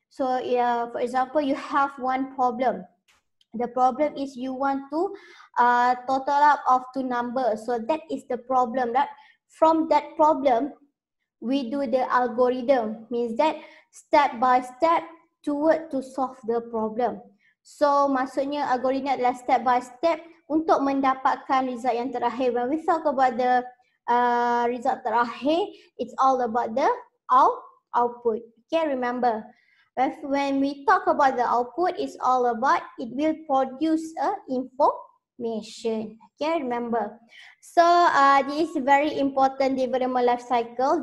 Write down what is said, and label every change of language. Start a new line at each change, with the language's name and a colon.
English: So for example, you have one problem. The problem is you want to total up of two numbers. So that is the problem. That from that problem, we do the algorithm. Means that step by step toward to solve the problem.
Malay: So maksudnya algorithm adalah step by step untuk mendapatkan result yang terakhir.
English: When we talk about the result terakhir, it's all about the output. Okay, remember. When we talk about the output, it's all about it will produce a information. Okay, remember. So this is very important development life cycle.